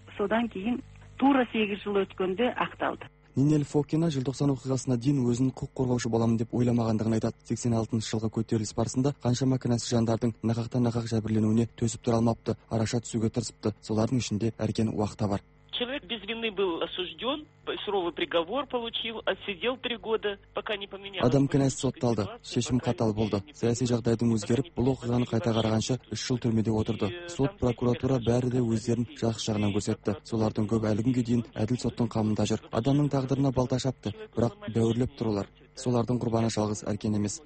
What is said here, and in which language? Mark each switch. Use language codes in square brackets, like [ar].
[kk] Содан кейін тура 8 жыл өткенде ақталды. Нинель Фокина 90 оқиғасына дейін өзін құқық қорғаушы боламын деп ойламағандығын айтады. 86 жылғы көтеріліс барысында қаншама кінәсіз жандардың нақақтан нақақ жәбірленуіне төсіп тұра алмапты, араша түсуге тырысыпты. Солардың ішінде Әркен Уақта бар. [ru] Человек без вины был осужден, суровый приговор получил, отсидел 3 года, пока не поменялось. [kk] Адам кінәсіз сотталды, шешім қатал болды. Саяси жағдайдың өзгеріп, бұл оқиғаны қайта қарағанша 3 жыл түрмеде отырды. Сот, прокуратура бәрі де өздерін жақсы жағынан көрсетті. Солардың көбі әлі күнге дейін әділ соттың қамында жүр. Адамның тағдырына балта шапты, бірақ дәуірлеп тұрлар. Солардың құрбаны жалғыз Әркен емес.